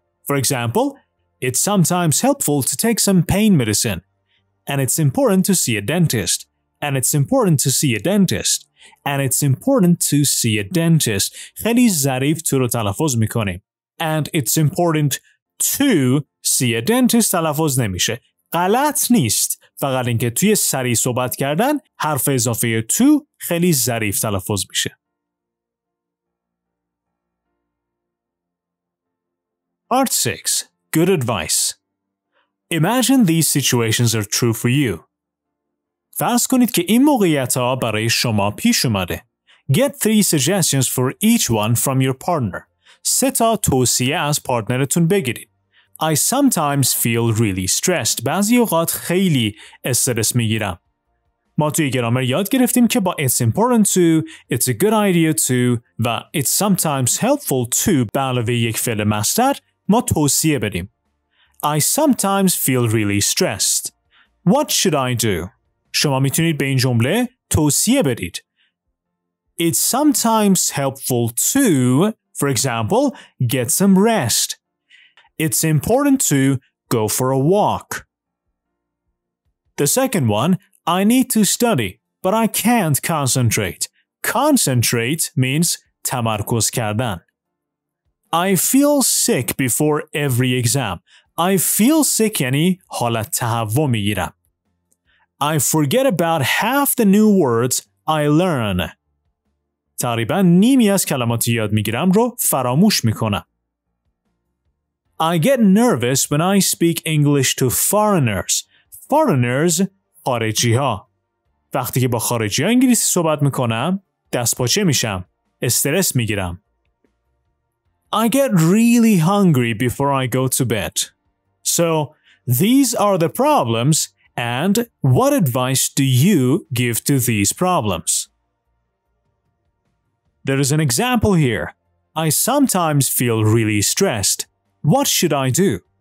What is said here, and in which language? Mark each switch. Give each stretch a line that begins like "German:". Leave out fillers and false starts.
English: For example, it's sometimes helpful to take some pain medicine, and it's important to see a dentist. And it's important to see a dentist. And it's important to see a dentist.
Persian: خیلی ظریف تو رو تلفظ میکنیم.
English: And it's important to see a dentist
Persian: تلفظ نمیشه. غلط نیست. فقط اینکه توی سریع صحبت کردن حرف اضافه تو خیلی ظریف تلفظ میشه.
English: Part 6. Good advice. Imagine these situations are true for you.
Persian: فرض کنید که این موقعیت‌ها برای شما پیش اومده.
English: Get three suggestions for each one from your partner.
Persian: سه تا توصیه از پارتنرتون بگیرید.
English: I sometimes feel really stressed.
Persian: بعضی اوقات خیلی استرس میگیرم. ما توی گرامر یاد گرفتیم که با
English: it's important to, it's a good idea to
Persian: و
English: it's sometimes helpful to
Persian: به علاوه یک فعل مصدر ما توصیه بدیم.
English: I sometimes feel really stressed. What should I do?
Persian: شما میتونید به این جمله توصیه بدید.
English: It's sometimes helpful to, for example, get some rest. It's important to go for a walk. The second one, I need to study, but I can't concentrate. Concentrate means
Persian: تمرکز کردن.
English: I feel sick before every exam. I feel sick
Persian: یعنی حالت تهوع میگیرم.
English: I forget about half the new words I learn.
Persian: تقریبا نیمی از کلمات یاد میگیرم رو فراموش میکنم.
English: I get nervous when I speak English to foreigners.
Persian: Foreigners, خارجی ها. وقتی که با خارجی ها انگلیسی صحبت میکنم، دستپاچه میشم. استرس میگیرم.
English: I get really hungry before I go to bed. So, these are the problems. And what advice do you give to these problems? There is an example here. I sometimes feel really stressed. What should I do?